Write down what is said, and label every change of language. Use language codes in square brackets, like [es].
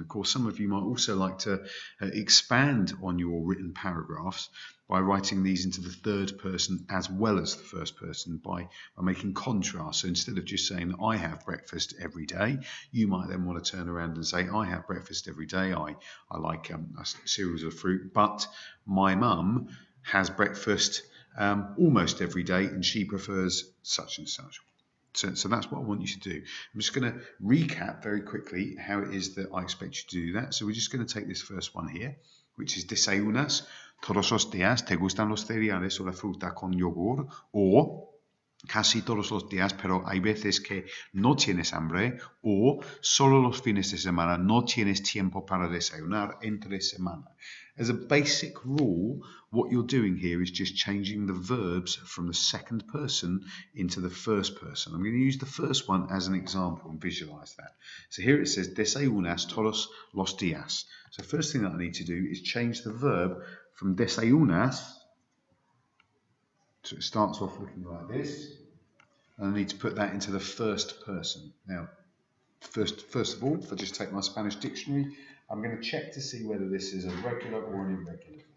[en] Of course, some of you might also like to expand on your written paragraphs by writing these into the third person as well as the first person by making contrast. So instead of just saying I have breakfast every day, you might then want to turn around and say I have breakfast every day. I like a series of fruit, but my mum has breakfast almost every day and she prefers such and such. So that's what I want you to do. I'm just going to recap very quickly how it is that I expect you to do that. So we're just going to take this first one here, which is [es] desayunas todos los días, te gustan los cereales o la fruta con yogur, o casi todos los días, pero hay veces que no tienes hambre, o solo los fines de semana no tienes tiempo para desayunar entre semana. [en] As a basic rule, what you're doing here is just changing the verbs from the second person into the first person. I'm going to use the first one as an example and visualize that. So here it says, [es] desayunas todos los días. [en] So first thing that I need to do is change the verb from desayunas, so it starts off looking like this, and I need to put that into the first person. Now, first of all, if I just take my Spanish dictionary, I'm going to check to see whether this is a regular or an irregular.